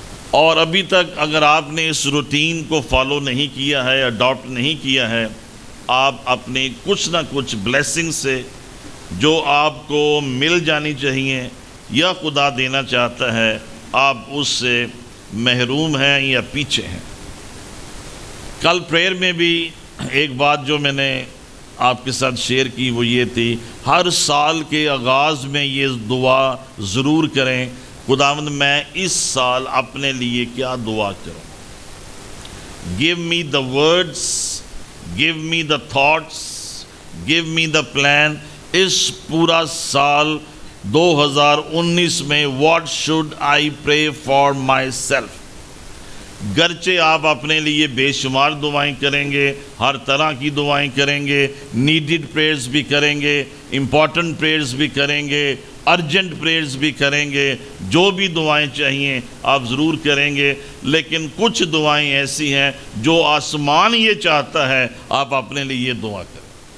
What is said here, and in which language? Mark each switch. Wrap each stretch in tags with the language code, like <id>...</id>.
<ur>اور ابھی تک اگر آپ نے اس روٹین کو فالو نہیں کیا ہے, اڈاپٹ نہیں کیا ہے, آپ اپنے کچھ نہ کچھ بلیسنگ سے جو آپ کو مل جانی چاہیے یا خدا دینا چاہتا ہے آپ اس سے محروم ہیں یا پیچھے ہیں. کل پریئر میں بھی ایک بات جو میں نے آپ کے ساتھ شیئر کی وہ یہ تھی, ہر سال کے آغاز میں یہ دعا ضرور کریں, خداوند میں اس سال اپنے لیے کیا دعا کروں.</ur> <en>Give me the words, give me the thoughts, give me the plan.</en> <ur>اس پورا سال 2019 میں</ur> <en>What should I pray for myself.</en> <ur>گرچہ آپ اپنے لیے بے شمار دعائیں کریں گے, ہر طرح کی دعائیں کریں گے, نیڈڈ پریئرز بھی کریں گے, امپورٹنٹ پریئرز بھی کریں گے, ارجنٹ پریئرز بھی کریں گے, جو بھی دعائیں چاہیے آپ ضرور کریں گے, لیکن کچھ دعائیں ایسی ہیں جو آسمان یہ چاہتا ہے آپ اپنے لیے دعا کریں.</ur>